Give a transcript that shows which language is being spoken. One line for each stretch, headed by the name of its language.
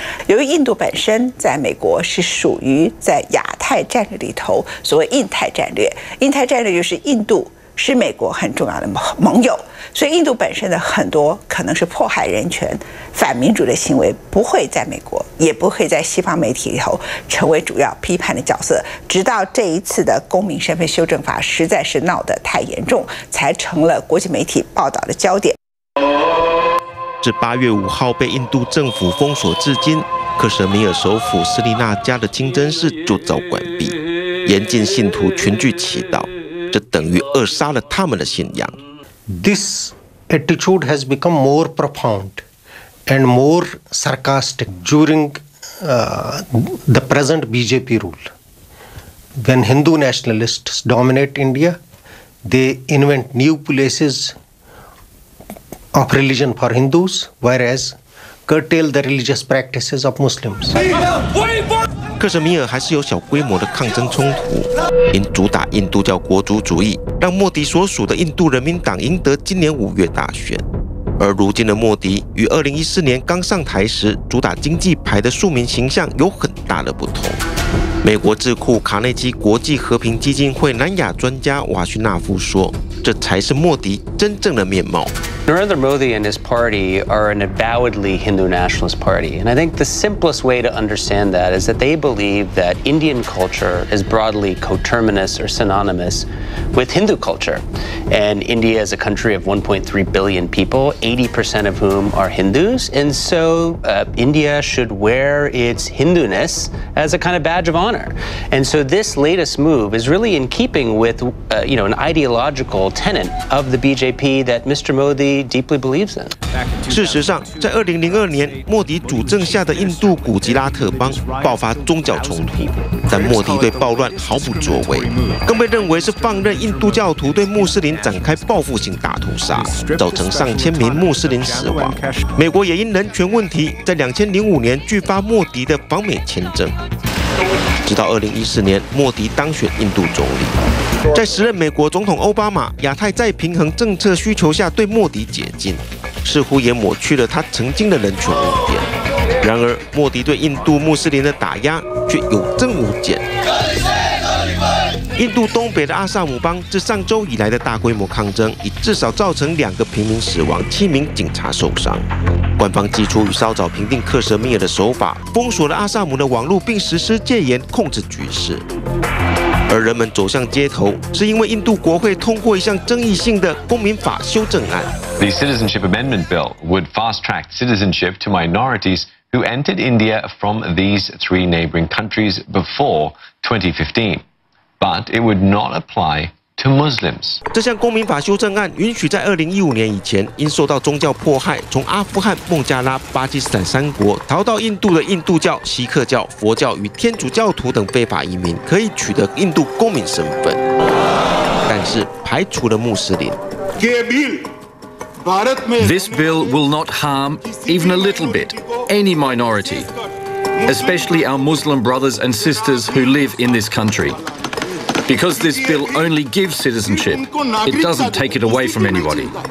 Chinese: 由于印度本身在美国是属于在亚太战略里头所谓印太战略，印太战略就是印度是美国很重要的盟友，所以印度本身的很多可能是迫害人权、反民主的行为不会在美国，也不会在西方媒体里头成为主要批判的角色，直到这一次的公民身份修正法实在是闹得太严重，才成了国际媒体报道的焦点。自8月5号被印度政府封锁至今，克什米尔首府斯里纳加的清真寺就遭关闭，严禁信徒群聚祈祷，这等于扼杀了他们的信仰。
English: This attitude has become more profound and more sarcastic during the present BJP rule. When Hindu nationalists dominate India, they invent new places of religion for Hindus, whereas curtail the religious practices of Muslims.
Chinese: 克什米尔还是有小规模的抗争冲突，因主打印度教国族主义，让莫迪所属的印度人民党赢得今年5月大选。而如今的莫迪与2014年刚上台时主打经济牌的庶民形象有很大的不同。美国智库卡内基国际和平基金会南亚专家瓦逊纳夫说：“这才是莫迪真正的面貌。”
English: Narendra Modi and his party are an avowedly Hindu nationalist party, and I think the simplest way to understand that is that they believe that Indian culture is broadly coterminous or synonymous with Hindu culture. And India is a country of 1.3 billion people, 80% of whom are Hindus, and so India should wear its Hinduness as a kind of badge of honor. And so this latest move is really in keeping with, you know, an ideological tenet of the BJP that Mr. Modi deeply believes in.
Chinese: 事实上，在2002年，莫迪主政下的印度古吉拉特邦爆发宗教冲突，但莫迪对暴乱毫不作为，更被认为是放任印度教徒对穆斯林展开报复性大屠杀，造成上千名穆斯林死亡。美国也因人权问题，在2005年拒发莫迪的访美签证。直到2014年，莫迪当选印度总理，在时任美国总统奥巴马亚太再平衡政策需求下对莫迪解禁，似乎也抹去了他曾经的人权污点。然而，莫迪对印度穆斯林的打压却有增无减。印度东北的阿萨姆邦自上周以来的大规模抗争，已至少造成2个平民死亡，7名警察受伤。官方祭出与稍早平定克什米尔的手法，封锁了阿萨姆的网络，并实施戒严控制局势。而人们走向街头，是因为印度国会通过一项争议性的公民法修正案。
English: The Citizenship Amendment Bill would fast-track citizenship to minorities who entered India from these 3 neighboring countries before 2015. But it would not apply to Muslims.
Chinese: 这项公民法修正案允许在2015年以前因受到宗教迫害，从阿富汗、孟加拉、巴基斯坦三国逃到印度的印度教、锡克教、佛教与天主教徒等非法移民，可以取得印度公民身份，但是排除了穆斯林。
English: This bill will not harm even a little bit any minority, especially our Muslim brothers and sisters who live in this country. Because this bill only gives citizenship, it doesn't take it away from anybody.